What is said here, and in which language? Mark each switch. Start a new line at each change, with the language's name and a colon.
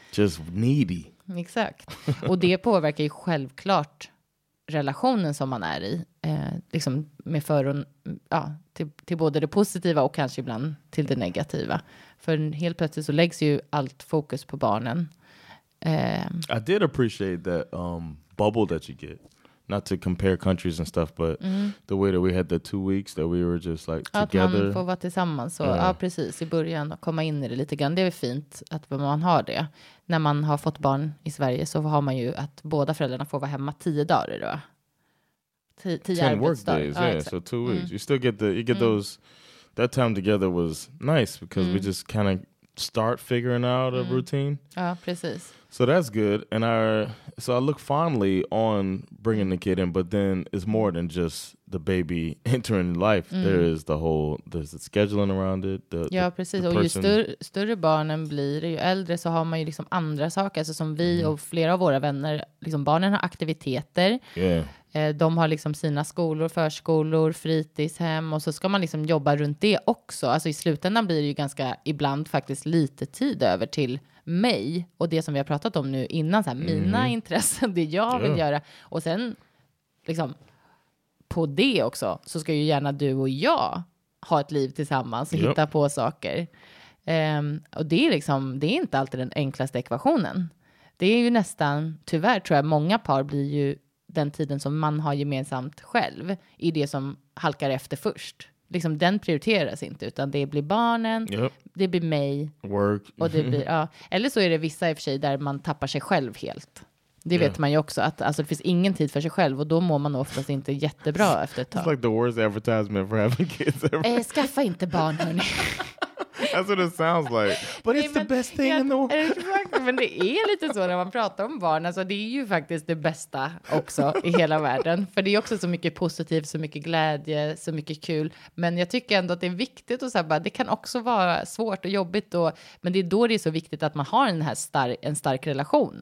English: Just needy.
Swedish: Exakt. Och det påverkar ju självklart relationen som man är i. Liksom med för och, ja, till både det positiva och kanske ibland till det negativa. För helt plötsligt så läggs ju allt fokus på barnen.
English: I did appreciate that bubble that you get. Not to compare countries and stuff, but the way that we had the 2 weeks that we were just like together.
Swedish: Att man får vara tillsammans. Så, ja, precis. I början och komma in i det lite grann. Det är fint att man har det. När man har fått barn i Sverige så har man ju att båda föräldrarna får vara hemma 10 dagar då. 10
English: workdays, yeah. Exactly. So 2 weeks. You still get those. That time together was nice because we just kind of start figuring out a routine.
Swedish: Ja, precis.
English: So that's good, and I look fondly on bringing the kid in, but then it's more than just the baby entering life. Mm. There is there's the scheduling around it.
Swedish: Ja, precis. Och ju större barnen blir, ju äldre, så har man ju liksom andra saker. Alltså som vi och flera av våra vänner, liksom barnen har aktiviteter.
English: Yeah.
Swedish: De har liksom sina skolor, förskolor, fritidshem, och så ska man liksom jobba runt det också. Alltså i slutändan blir det ju ganska ibland faktiskt lite tid över till mig och det som vi har pratat om nu innan, så här, mina intressen, det jag vill göra, och sen liksom på det också så ska ju gärna du och jag ha ett liv tillsammans och hitta på saker, och det är liksom, det är inte alltid den enklaste ekvationen. Det är ju nästan, tyvärr tror jag, många par blir ju den tiden som man har gemensamt själv i det som halkar efter först. Liksom den prioriteras inte, utan det blir barnen, det blir mig.
English: Work.
Swedish: Och det blir, ja. Eller så är det vissa i och för sig där man tappar sig själv helt. Det vet man ju också, att alltså, det finns ingen tid för sig själv, och då mår man oftast inte jättebra efter ett tag.
English: It's like the worst advertisement for having kids ever.
Swedish: Skaffa inte barn, hörni.
English: That's what it sounds like. But it's the best thing in the world.
Swedish: Men det är lite så när man pratar om barn. Alltså det är ju faktiskt det bästa också i hela världen. För det är också så mycket positivt, så mycket glädje, så mycket kul. Men jag tycker ändå att det är viktigt att säga, det kan också vara svårt och jobbigt. Men det är då det är så viktigt att man har en stark relation.